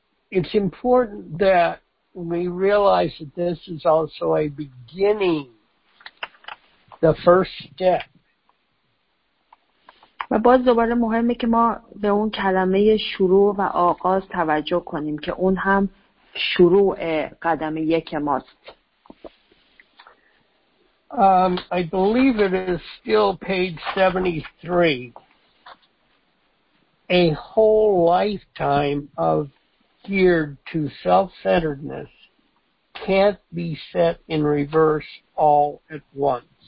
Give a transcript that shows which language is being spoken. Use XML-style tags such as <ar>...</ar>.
<en>It's important that we realize that this is also a beginning, the first step.</en> <fa>و باز دوباره مهمه که ما به اون کلمه شروع و آغاز توجه کنیم که اون هم شروع قدم یک ماست.</fa> <en>I believe it is still page 73. A whole lifetime of geared to self-centeredness can't be set in reverse all at once.</en>